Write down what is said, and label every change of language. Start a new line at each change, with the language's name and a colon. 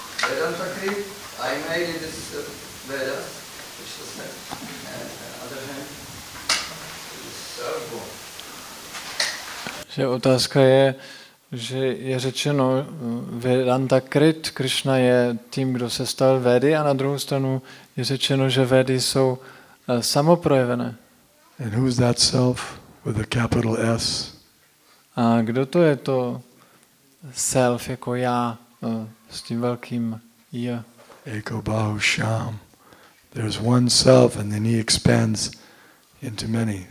English: Vedanta Krit, I made it this Vedas, which was said, and on the other hand, self-born.
Czech: Že otázka je, že je řečeno Vedanta Krit, Krishna je tím, kdo se stal Vedy, a na druhou stranu je řečeno, že Vedy jsou samoprojevené.
English: And who is that self with a capital S?
Czech: A kdo to je to self jako já s tím velkým J?
Sanskrit: Eko Bahu Sham.
English: There's one self and then he expands into many.